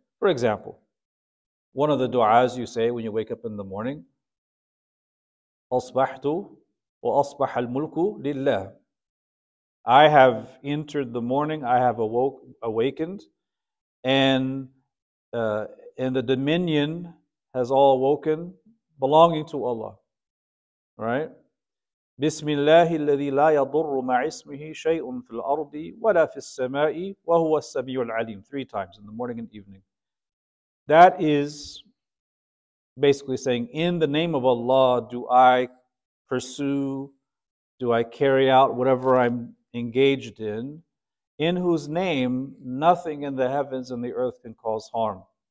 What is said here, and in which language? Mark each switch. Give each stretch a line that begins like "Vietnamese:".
English: For example, one of the du'as you say when you wake up in the morning,
Arabic: أصبحتُ وأصبح الملكُ لله.
English: I have entered the morning, I have awakened, and the dominion has all awoken, belonging to Allah, right?
Arabic: بسم الله الذي لا يضر مع اسمه شيء في الأرض ولا في السماء وهو السميع العليم.
English: Three times in the morning and evening. That is basically saying, in the name of Allah, do I pursue, do I carry out whatever I'm engaged in whose name nothing in the heavens and the earth can cause harm.